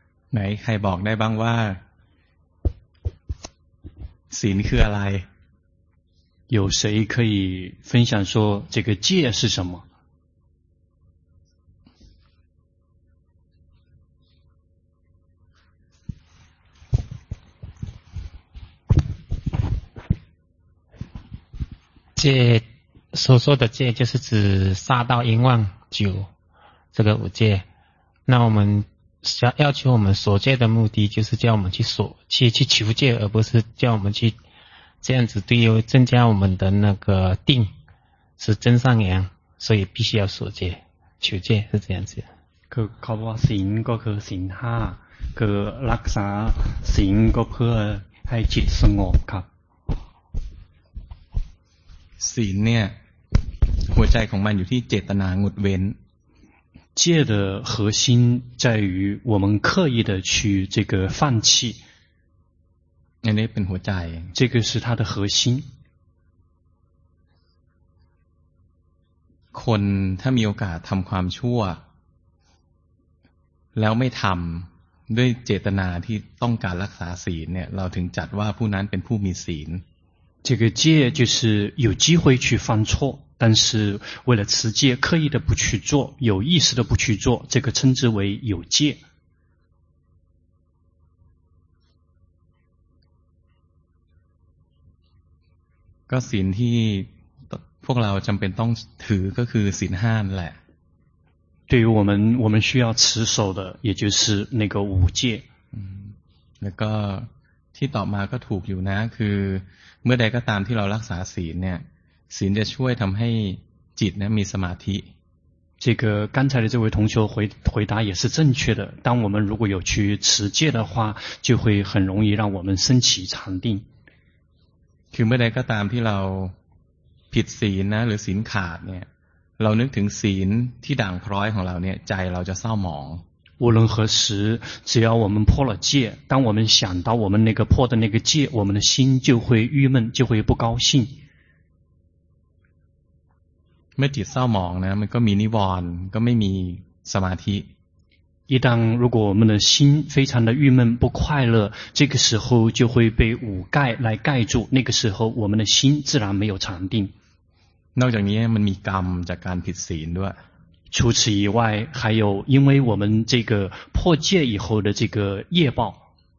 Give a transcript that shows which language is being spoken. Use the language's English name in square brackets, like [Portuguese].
[Thai] ไหนใครบอกได้บ้างว่าศีลคืออะไร [Chinese] 有谁可以分享说这个戒是什么戒所说的戒就是指杀盗淫妄酒这个五戒那我们要求我们所戒的目的就是叫我们去所去求戒而不是叫我们去这样子对于增加我们的那个定是增上扬所以必须要所戒求戒是这样子 [Thai] คือเขาบอกว่าศีลก็คือศีล5คือรักษาศีลก็เพื่อให้จิตสงบครับ ศีลเนี่ยหัวใจของมันอยู่ที่เจตนางดเว้น [Chinese] 戒的核心在于我们刻意的去这个放弃 [Thai] อันนี้เป็นหัวใจ [Chinese] 这个是它的核心 [Thai] คนถ้ามีโอกาสทำความชั่วแล้วไม่ทำด้วยเจตนาที่ต้องการรักษาศีลเนี่ยเราถึงจัดว่าผู้นั้นเป็นผู้มีศีล [Chinese] 这个戒就是有机会去犯错但是为了持戒刻意的不去做有意识的不去做这个称之为有戒 [Thai] ก็ศีลที่พวกเราจำเป็นต้องถือก็คือศีลห้านแหละ [Chinese] 对于我们需要持守的也就是那个五戒 [Thai] แล้วก็ที่ต่อมาก็ถูกอยู่นะคือเมื่อใดก็ตามที่เรารักษาศีลเนี่ย ศีลจะช่วยทำให้จิตนะมีสมาธิ [Chinese] 这个刚才的这位同学回答也是正确的当我们如果有去持戒的话就会很容易让我们升起禅定 [Thai] คือเมื่อใดก็ตามที่เราผิดศีลนะหรือศีลขาดเนี่ยเรานึกถึงศีลที่ด่างพร้อยของเราเนี่ยใจเราจะเศร้าหมอง [Chinese] 无论何时只要我们破了戒当我们想到我们那个破的那个戒我们的心就会郁闷就会不高兴 [Thai] เมื่อจิตเศร้าหมองนะมันก็มีนิวรณ์ก็ไม่มีสมาธิ [Chinese] 一旦如果我们的心非常的郁闷不快乐这个时候就会被五盖来盖住那个时候我们的心自然没有禅定 [Thai] นอกจากนี้มันมีกรรมจากการผิดศีลด้วย [Chinese] 除此以外还有因为我们这个破戒以后的这个业报